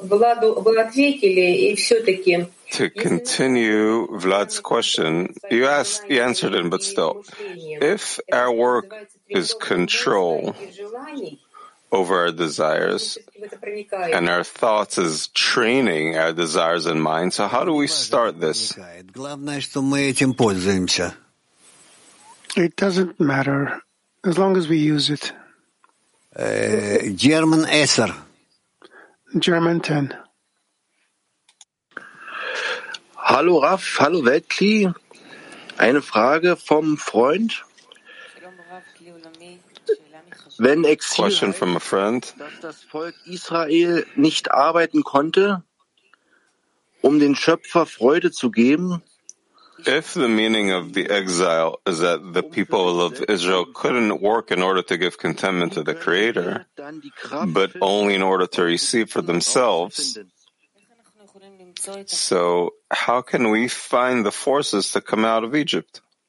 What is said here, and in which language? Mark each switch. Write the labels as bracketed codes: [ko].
[ru] Владу, вы ответили, и все-таки... [en] To continue Vlad's question, you answered him, but still, if our work is control over our desires and our thoughts is training our desires and mind, so how do we start this? It doesn't matter as long as we use it. German 10. German 10. [de] Hallo Raff, hallo Weltkli. Eine Frage vom Freund. Wenn [en] Question from a friend. [de] Dass das Volk Israel nicht arbeiten konnte, um den Schöpfer Freude zu geben. [en] If the meaning of the exile is that the people of Israel couldn't work in order to give contentment to the Creator, but only in order to receive for themselves, so how can we find the forces to come out of Egypt?